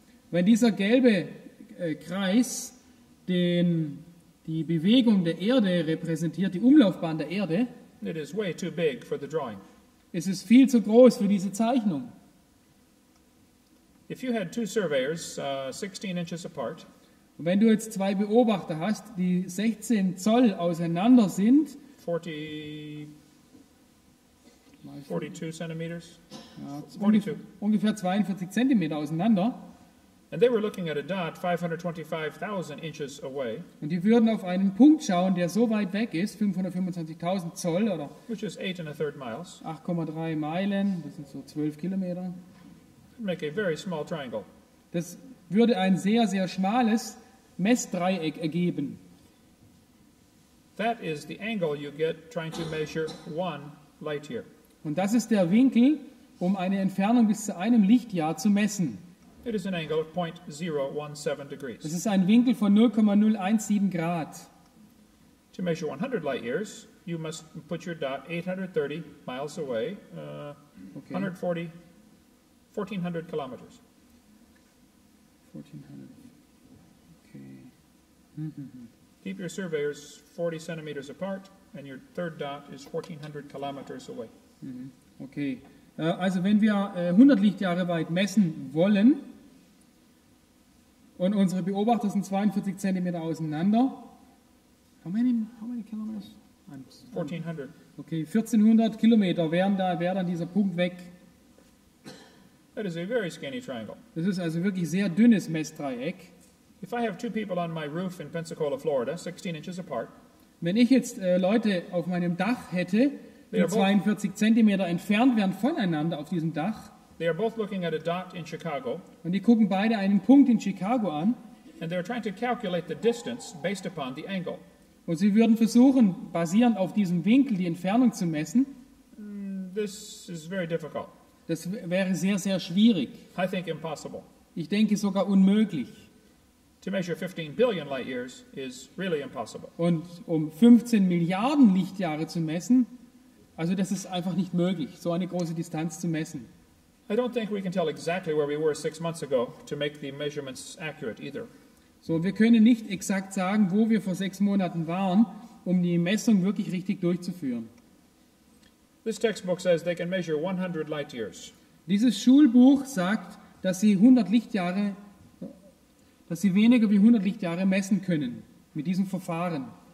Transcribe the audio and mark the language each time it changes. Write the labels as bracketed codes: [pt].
[de] wenn dieser gelbe Kreis den die Bewegung der Erde repräsentiert, die Umlaufbahn der Erde, [en] it is way too big for the drawing. [de] Es ist viel zu groß für diese Zeichnung. [en] If you had two surveyors, 16 inches apart, [de] und wenn du jetzt zwei Beobachter hast, die 16 Zoll auseinander sind, 42 Zentimeter auseinander, [en] and they were looking at a dot 525,000 inches away. [de] Und die würden auf einen Punkt schauen, der so weit weg ist, 525.000 Zoll oder [en] which is 8.3 miles. [de] 8,3 Meilen, das sind so 12 Kilometer. [en] Make a very small triangle. [de] Das würde ein sehr sehr schmales Messdreieck ergeben. [en] That is the angle you get trying to measure one light year. [de] Und das ist der Winkel, um eine Entfernung bis zu einem Lichtjahr zu messen. [en] It is an angle of 0.017 degrees. [de] Es ist ein Winkel von 0,017 Grad. [en] To measure 100 light years, you must put your dot 830 miles away, 1400 kilometers. 1400. Okay. Keep your surveyors 40 centimeters apart and your third dot is 1400 kilometers away. Okay. [de] Also wenn wir 100 Lichtjahre weit messen wollen, und unsere Beobachter sind 42 Zentimeter auseinander. [en] How many kilometers? 1400. [de] Okay, 1400 Kilometer wäre dann dieser Punkt weg. [en] That is a very skinny triangle. [de] Das ist also wirklich sehr dünnes Messdreieck. [en] If I have two people on my roof in Pensacola, Florida, 16 inches apart. [de] Wenn ich jetzt Leute auf meinem Dach hätte, die 42 Zentimeter entfernt wären voneinander auf diesem Dach. [en] They are both looking at a dot in Chicago. [de] Und die gucken beide einen Punkt in Chicago an. [en] And they are trying to calculate the distance based upon the angle. [de] Und sie würden versuchen, basierend auf diesem Winkel die Entfernung zu messen. [en] This is very difficult. [de] Das wäre sehr sehr schwierig. [en] I think impossible. [de] Ich denke sogar unmöglich. [en] To measure 15 billion light years is really impossible. [de] Und um 15 Milliarden Lichtjahre zu messen, also das ist einfach nicht möglich, so eine große Distanz zu messen. [en] I don't think we can tell exactly where we were 6 months ago to make the measurements accurate either. [de] So, wir können nicht exakt sagen, wo wir vor 6 Monaten waren, um die Messung wirklich richtig durchzuführen. [en] This textbook says they can measure 100 light years. [de] Dieses Schulbuch sagt, dass sie weniger wie 100 Lichtjahre messen können mit diesem Verfahren.